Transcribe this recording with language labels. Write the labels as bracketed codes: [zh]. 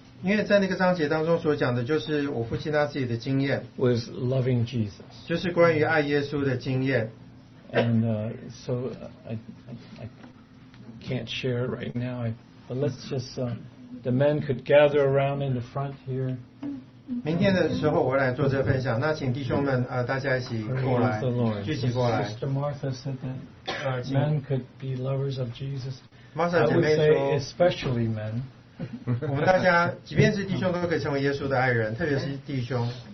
[zh] 因为在那个章节当中所讲的就是我父亲他自己的经验 [en] was loving Jesus, [zh] 就是关于爱耶稣的经验 [en] and so I can't share it right now, but let's just the men could gather around in the front here. [zh] 明天的时候我来做这个分享，那请弟兄们大家一起过来，聚集过来。 [en] Sister Martha said that men could be lovers of Jesus. [zh] Martha 姐妹说 [en] I would say especially men. [zh] 我们大家即便是弟兄都可以成为耶稣的爱人，特别是弟兄。